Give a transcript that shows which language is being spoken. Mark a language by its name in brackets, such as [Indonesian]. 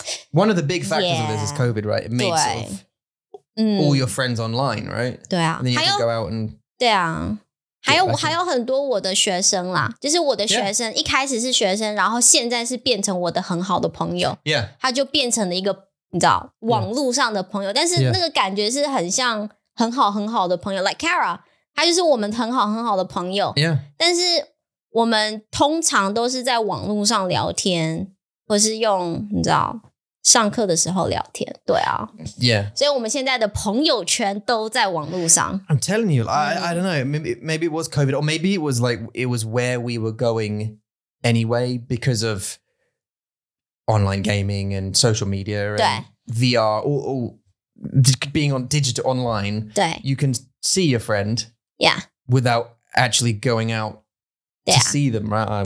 [English] One of the big factors of this is COVID, right? It makes all your friends online, right? [Chinese] 对啊, [English] and then you can go out and... [Chinese] 对啊, 还有很多我的学生啦, 就是我的学生, 一开始是学生, 然后现在是变成我的很好的朋友, 他就变成了一个, 你知道, 网路上的朋友, 但是那个感觉是很像... 很好很好的朋友 like Kara 她就是我们很好很好的朋友 [English] yeah. [Chinese] 但是我们通常都是在网络上聊天 或是用你知道 上课的时候聊天 对啊 [English] yeah. [Chinese] 所以我们现在的朋友圈都在网络上 [English] I'm telling you I don't know maybe it was COVID or maybe it was like it was where we were going anyway because of online gaming and social media and VR all being on digital online, you can see your friend without actually going out to see them, right?